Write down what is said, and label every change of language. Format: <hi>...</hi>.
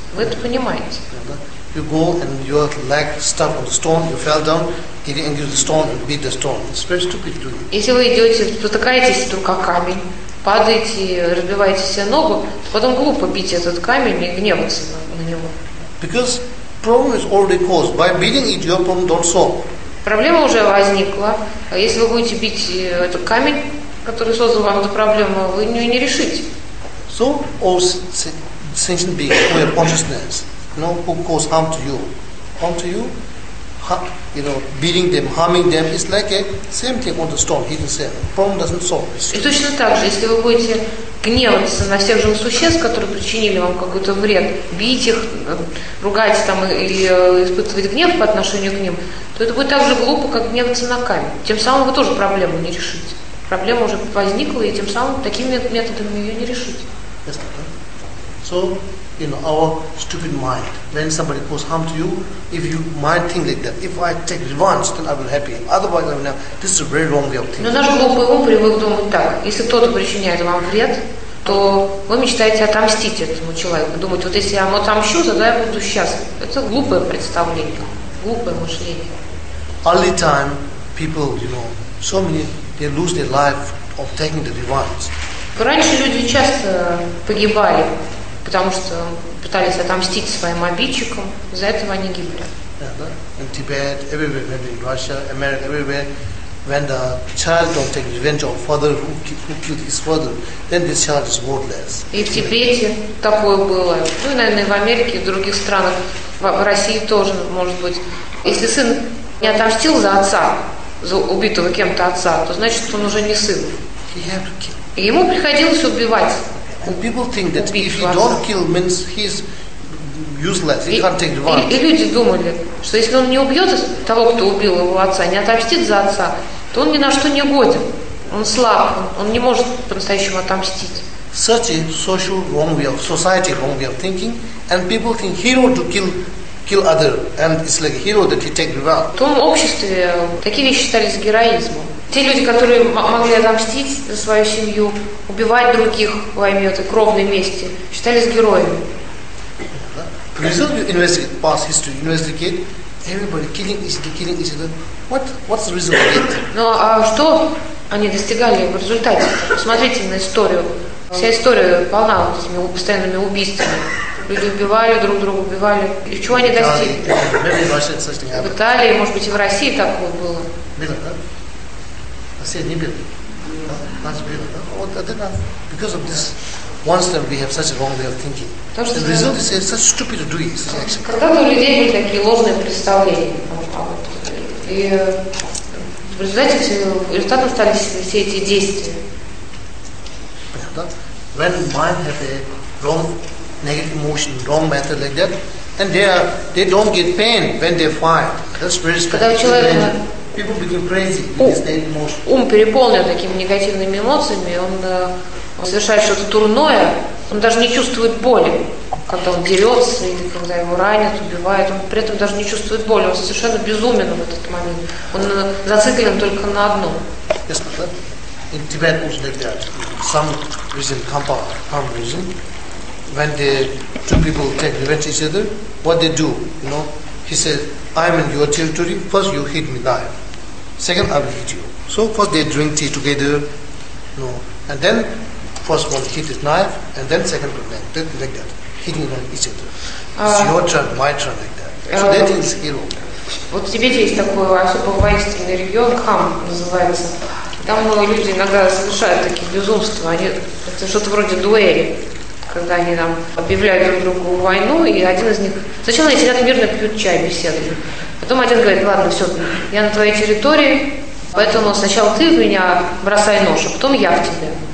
<ru>Вы это понимаете.</ru> <en>You go and your leg stuck on the stone, you fell down, get angry with the stone and beat the stone. It's very stupid to you.</en> <ru>Если вы идете, спотыкаетесь вдруг о камень, падаете, разбиваете себе ногу, то потом глупо бить этот камень и гневаться на него.</ru> <en>Because problem is already caused. By beating it, your problem don't solve.</en> <ru>Проблема уже возникла. А если вы будете бить этот камень, который создал вам эту проблему, вы ее не решите.</ru> <en>So, all sentient beings who have consciousness, you know, who cause harm to you, you know, beating them, harming them, it's like a same thing on the stone, hidden cell. Problem doesn't solve.</en> <ru>И точно так же, если вы будете гневаться на всех живых существ, которые причинили вам какой-то вред, бить их, ругать там или испытывать гнев по отношению к ним, то это будет так же глупо, как гневаться на камень. Тем самым вы тоже проблему не решите. Проблема уже возникла, и тем самым такими методами ее не решите.</ru> <en>Yes, okay. So, you know, our stupid mind. When somebody causes harm to you, if you might think like that, if I take revenge, then I will be happy. Otherwise, I will never. This is a very wrong way of thinking.</en> <ru>Но наш глупый ум привык думать так. Если кто-то причиняет вам вред, то вы мечтаете отомстить этому человеку. Думать, вот если я ему отомщу, тогда я буду счастлив. Это глупое представление, глупое мышление.</ru> <en>Only time people, you know, so many, they lose their life of taking the revenge.</en> <ru>Раньше люди часто погибали, потому что пытались отомстить своим обидчикам, из-за этого они гибли.</ru> <en>Yeah, in Tibet, everywhere, in Russia, America, everywhere, when the child don't take revenge of father who killed his father, then this child is worthless.</en> <ru>И в Тибете такое было. Ну, наверное, в Америке, в других странах, в России тоже, может быть. Если сын не отомстил за отца, за убитого кем-то отца, то значит, он уже не сын.</ru> <en>He had to kill.</en> <ru>И ему приходилось убивать.</ru> <en>And people think that if he don't kill, means he's useless. He can't take revenge.</en> <ru>И люди думали, что если он не убьет того, кто убил его отца, не отомстит за отца, то он ни на что не годен. Он слаб. Он не может по-настоящему отомстить.</ru> <en>Such a social wrong way of society wrong way of thinking, and people think hero to kill other, and it's like hero that he take revenge.</en> <ru>В том обществе такие вещи считались героизмом. Те люди, которые могли отомстить за свою семью, убивать других во имя этой кровной мести, считались героями.</ru> <en>The result you investigate, past history, investigate, everybody killing each other, killing each other. What's the result of it?</en> <ru>Ну, а что они достигали в результате? Посмотрите на историю. Вся история полна вот этими постоянными убийствами. Люди убивали друг друга, убивали. И чего они достигли? В Италии, может быть, и в России такое было. Все не били. Нас били. Вот это нас.</ru> <en>Because of this once then we have such a wrong way of thinking.</en> <ru>То,</ru> <en>the result is it's such stupid to do it. Such action.</en> <ru>Когда-то у людей были такие ложные представления, и в результате результатом стали все эти действия.</ru> <en>When mind have a wrong negative emotion, wrong method like that, and they don't get pain when they fight. That's very special. People become crazy in this negative emotion.</en> <ru>Ум переполнен такими негативными эмоциями, он совершает что-то дурное, он даже не чувствует боли, когда он дерется или когда его ранят, убивают, он при этом даже не чувствует боли, он совершенно безумен в этот момент. Он зациклен только на одном.</ru> <en>Yes, but in Tibet was like that. Some reason, karma reason, when the two people take revenge each other, what they do, you know? He said, I am in your territory, first you hit me knife. Second, I will hit you. So first they drink tea together, you know, and then first one hit his knife, and then second one like that, hitting on each other. It's your turn, my turn, like that. So that is hero.</en> <ru>Вот в Тибете есть такой особо воинственный регион, Кхам называется. Там люди иногда совершают такие безумства, это что-то вроде дуэли, когда они там объявляют друг другу войну, и один из них... Сначала они сидят мирно, пьют чай, беседуют. Потом один говорит, ладно, все, я на твоей территории, поэтому сначала ты в меня бросай нож, а потом я в тебя.</ru>